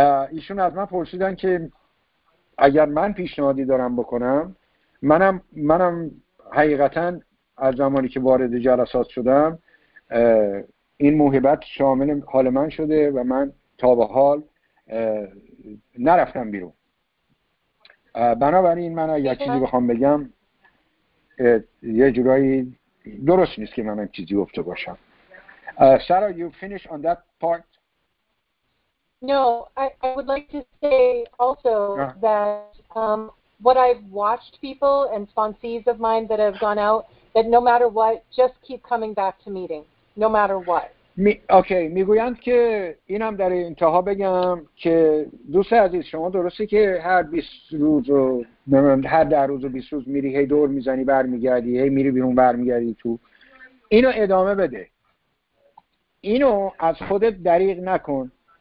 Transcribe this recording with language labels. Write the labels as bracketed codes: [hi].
[fa] ایشون از من پرسیدن که اگر من پیشنهادی دارم بکنم، منم حقیقتاً از زمانی که وارد جلسات شدم این موهبت شامل حال من شده و من تا به حال نرفتم بیرون. بنابراین من اگر چیزی بخوام بگم یه جورایی درست نیست که من این چیزی گفته باشم. [en] Sarah, you finish on that part? No, I would like to say also that what I've watched people and sponsees of mine that have gone out, that no matter what, just keep coming back to meeting, no matter what. [fa] Okay, میگویند که اینم در انتها بگم که دوست عزیز، شما درسته که هر 20 روز و هر 10 روز و 20 روز میری هی دور میزنی برمیگردی، هی میری بیرون برمیگردی تو، اینو ادامه بده، اینو از خودت دریغ نکن.